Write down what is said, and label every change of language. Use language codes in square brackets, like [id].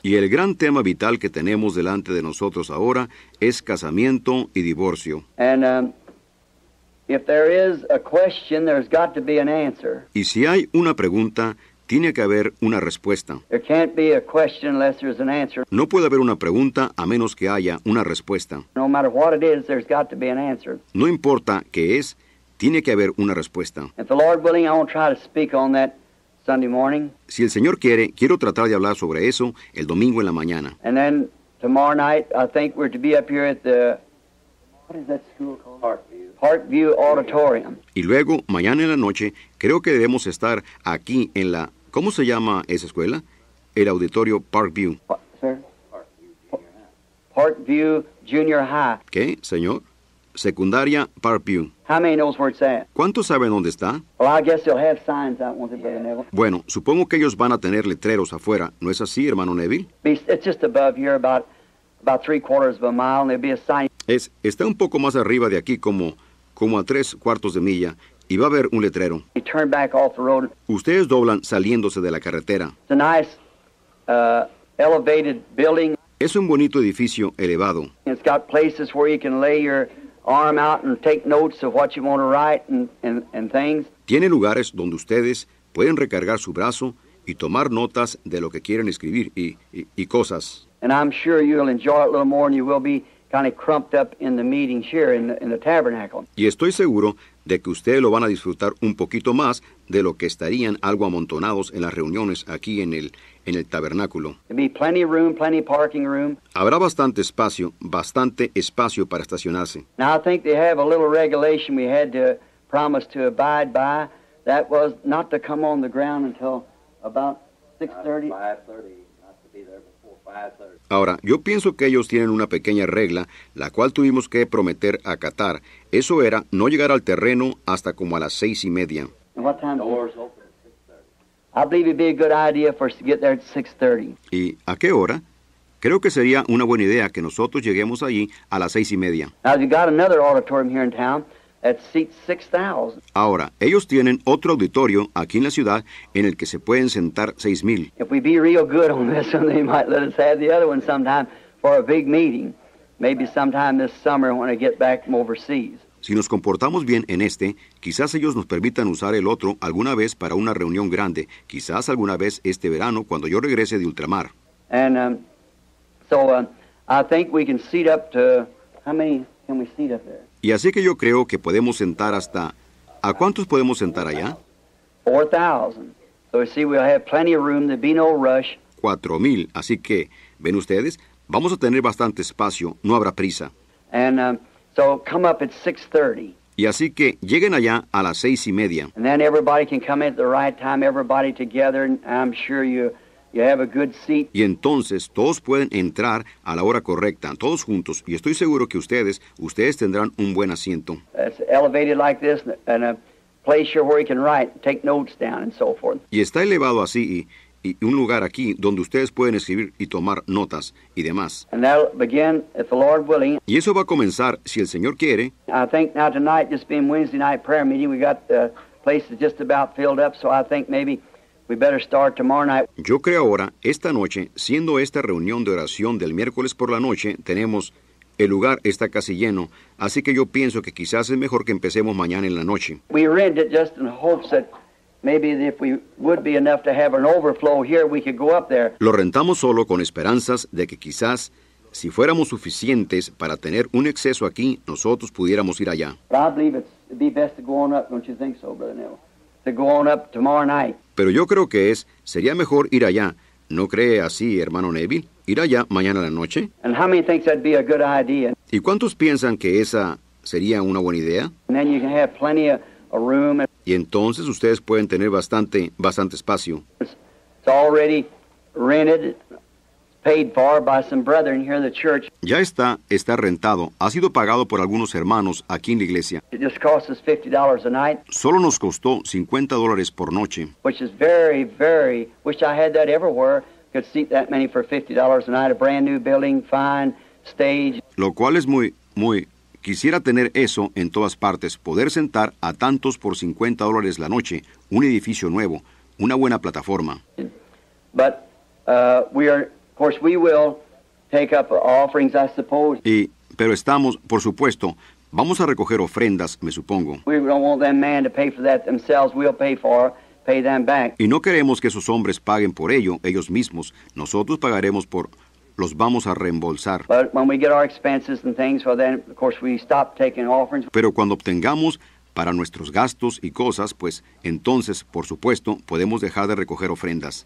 [es] Y el gran tema vital que tenemos delante de nosotros ahora es casamiento y divorcio. [en] And if there is a question, there's got to be an answer. [es] Y si hay una pregunta, tiene que haber una respuesta. [en] There can't be a question unless there's an answer. [es] No puede haber una pregunta a menos que haya una respuesta. [en] No matter what it is, there's got to be an answer. [es] No importa qué es, tiene que haber una respuesta. [en] If the Lord willing, I won't try to speak on that Sunday morning. [es] Si el Señor quiere, quiero tratar de hablar sobre eso el domingo en la mañana. [en] And then tomorrow night, I think we're to be up here at the, what is that school called? Parkview. Parkview Auditorium. [es] Y luego, mañana en la noche, creo que debemos estar aquí en la, ¿cómo se llama esa escuela? El auditorio Parkview. [en] Parkview Junior High. [es] ¿Qué, señor? Secundaria Parkview. [en] How many knows where it's at? [es] ¿Cuántos saben dónde está? [en] Well, I guess they'll have signs out, won't they, Brother Neville? [es] Bueno, supongo que ellos van a tener letreros afuera. ¿No es así, hermano Neville? [en] It's just above here, about three quarters of a mile, and there'll be a sign. [es] Está un poco más arriba de aquí, como a tres cuartos de milla, y va a haber un letrero. [en] You turn back off the road. [es] Ustedes doblan saliéndose de la carretera. [en] It's a nice, elevated building. [es] Es un bonito edificio elevado. [en] It's got places where you can lay your arm out and take notes of what you want to write and things. [es] Tiene lugares donde ustedes pueden recargar su brazo y tomar notas de lo que quieren escribir y cosas. [en] And I'm sure you'll enjoy it a little more, and you will be kind of crumped up in the meetings here in the tabernacle. [es] Y estoy seguro de que ustedes lo van a disfrutar un poquito más de lo que estarían algo amontonados en las reuniones aquí en el tabernáculo. [en] There'll be plenty of room, plenty of parking room. [es] Habrá bastante espacio para estacionarse. [en] Now I think they have a little regulation we had to promise to abide by. That was not to come on the ground until about 6:30. 5:30, not to be there before 5:30. [es] Ahora, yo pienso que ellos tienen una pequeña regla, la cual tuvimos que prometer acatar. Eso era no llegar al terreno hasta como a las 6:30. [en] And what time? Doors open. I believe it'd be a good idea for us to get there at 6:30. [es] ¿Y a qué hora? Creo que sería una buena idea que nosotros lleguemos allí a las 6:30. [en] Now, they've got another auditorium here in town that seats 6,000. [es] Ahora, ellos tienen otro auditorio aquí en la ciudad en el que se pueden sentar 6,000. [en] If we be real good on this one, they might let us have the other one sometime for a big meeting. Maybe sometime this summer when I get back from overseas. [es] Si nos comportamos bien en este, quizás ellos nos permitan usar el otro alguna vez para una reunión grande, quizás alguna vez este verano cuando yo regrese de ultramar. [en] And I think we can seat up to, how many can we seat up there? [es] Y así que yo creo que podemos sentar hasta, ¿a cuántos podemos sentar allá? 4,000. [en] So you see, we'll have plenty of room. There'll be no rush. [es] 4,000. Así que, ven ustedes, vamos a tener bastante espacio. No habrá prisa. [en] And so come up at 6:30. [es] Y así que lleguen allá a las 6:30. [en] And then everybody can come in at the right time. Everybody together. And I'm sure you have a good seat. [es] Y entonces todos pueden entrar a la hora correcta, todos juntos. Y estoy seguro que ustedes tendrán un buen asiento. [en] It's elevated like this, and a place here where you can write, take notes down, and so forth. [es] Y está elevado así y un lugar aquí donde ustedes pueden escribir y tomar notas y demás. [en] And that'll begin, if the Lord willing. [es] Y eso va a comenzar si el Señor quiere. [en] I think now tonight, just being Wednesday night prayer meeting, we got the places just about filled up, so I think maybe we better start tomorrow night. [es] Yo creo ahora, esta noche, siendo esta reunión de oración del miércoles por la noche, tenemos, el lugar está casi lleno, así que yo pienso que quizás es mejor que empecemos mañana en la noche. [en] We rent it just in hopes that maybe if we would be enough to have an overflow here, we could go up there. [es] Lo rentamos solo con esperanzas de que quizás, si fuéramos suficientes para tener un exceso aquí, nosotros pudiéramos ir allá. [en] But I believe it'd be best to go on up, don't you think so, Brother Neville? To go on up tomorrow night. [es] Pero yo creo que sería mejor ir allá. ¿No cree así, hermano Neville? ¿Ir allá mañana a la noche? [en] And how many think that'd be a good idea? [es] ¿Y cuántos piensan que esa sería una buena idea? [en] And then you can have plenty of a room. [es] Y entonces ustedes pueden tener bastante espacio. [en] It's already rented, paid for by some brethren here in the church. [es] Ya está rentado. Ha sido pagado por algunos hermanos aquí en la iglesia. [en] It just cost us $50 a night. [es] Solo nos costó $50 por noche. [en] Which is very, very, wish I had that everywhere. Could seat that many for $50 a night, a brand new building, fine stage. [es] Lo cual es muy, muy, quisiera tener eso en todas partes, poder sentar a tantos por $50 la noche, un edificio nuevo, una buena plataforma. [en] But we are, of course, we will take up offerings, I suppose. [es] Pero estamos, por supuesto, vamos a recoger ofrendas, me supongo. [en] We don't want them man to pay for that themselves. We'll pay them back. [es] Y no queremos que esos hombres paguen por ello ellos mismos. Nosotros pagaremos por, los vamos a reembolsar. [en] But when we get our expenses and things, well then, of course, we stop taking offerings. [es] Pero cuando obtengamos para nuestros gastos y cosas, pues entonces, por supuesto, podemos dejar de recoger ofrendas.